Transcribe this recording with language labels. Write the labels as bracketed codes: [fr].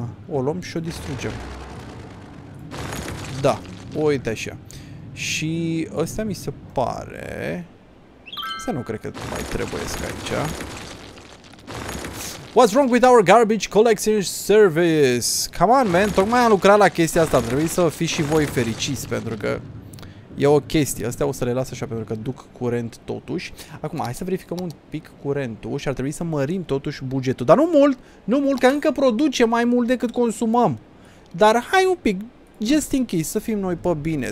[ro] O luăm și o distrugem. Da, uite așa. Și ăsta mi se pare... Asta nu cred că mai trebuie să aici. [en] What's wrong with our garbage collection service? Come on, man, [ro] tocmai am lucrat la chestia asta. Trebuie să fiți și voi fericiți, pentru că e o chestie. Astea o să le las așa, pentru că duc curent totuși. Acum, hai să verificăm un pic curentul și ar trebui să mărim totuși bugetul. Dar nu mult, nu mult, că încă produce mai mult decât consumăm. Dar hai un pic, [en] just in case, [ro] să fim noi pe bine.